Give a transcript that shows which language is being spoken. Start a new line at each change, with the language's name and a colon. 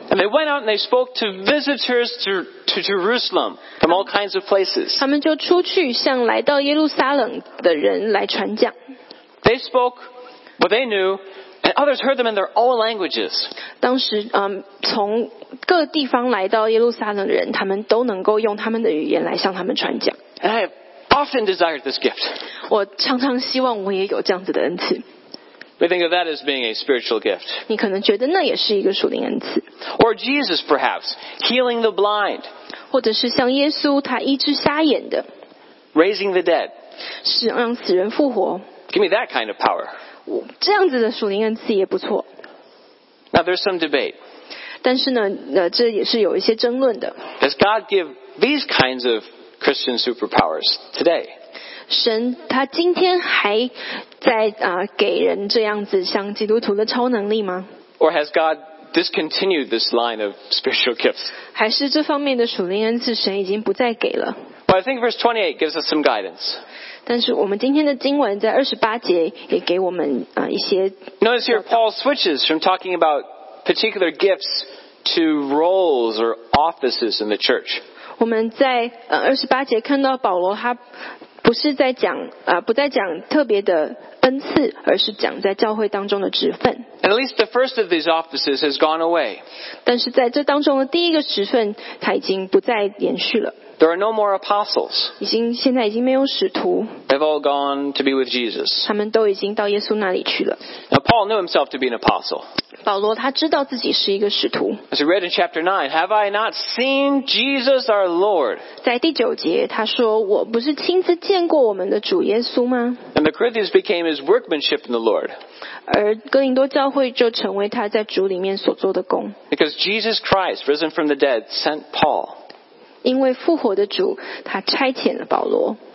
English: And they went out and they spoke to visitors to Jerusalem from all kinds of places.
Chinese: 他们就出去向来到耶路撒冷的人来传讲。
English: They spoke what they knew, and others heard them in their own languages.
Chinese: 当时从各地方来到耶路撒冷的人，他们都能够用他们的语言来向他们传讲。
English: And I have often desired this gift.
Chinese: 我常常希望我也有这样子的恩赐。
English: We think of that as being a spiritual gift.
Chinese: 你可能觉得那也是一个属灵恩赐。
English: Or Jesus, perhaps, healing the blind.
Chinese: 或者是像耶稣，他医治瞎眼的。
English: Raising the dead.
Chinese: 是让死人复活。
English: Give me that kind of power.
Chinese: 这样子的属灵恩赐也不错。
English: Now there's some debate.
Chinese: 但是呢，这也是有一些争论的。
English: Does God give these kinds of Christian superpowers today?
Chinese: 神他今天还在给人这样子像基督徒的超能力吗？
English: Or has God discontinued this line of spiritual gifts?
Chinese: 还是这方面的属灵恩赐神已经不再给了？
English: But I think verse 28 gives us some guidance.
Chinese: 但是我们今天的经文在28节也给我们一些。
English: Notice here Paul switches from talking about particular gifts to roles or offices in the church.
Chinese: 我们在28节看到保罗他不是在讲不再讲特别的恩赐，而是讲在教会当中的职分。
English: At least the first of these offices has gone away.
Chinese: 但是在这当中的第一个职分，它已经不再延续了。
English: There are no more apostles.
Chinese: 现在已经没有使徒。
English: They've all gone to be with Jesus.
Chinese: 他们都已经到耶稣那里去了。
English: Now Paul knew himself to be an apostle.
Chinese: 保罗他知道自己是一个使徒。
English: As we read in chapter 9, have I not seen Jesus our Lord?
Chinese: 在第九节他说，我不是亲自见过我们的主耶稣吗？
English: And the Corinthians became his workmanship in the Lord.
Chinese: 而哥林多教会就成为他在主里面所做的工。
English: Because Jesus Christ, risen from the dead, sent Paul.
Chinese: 因为复活的主他差遣了保罗。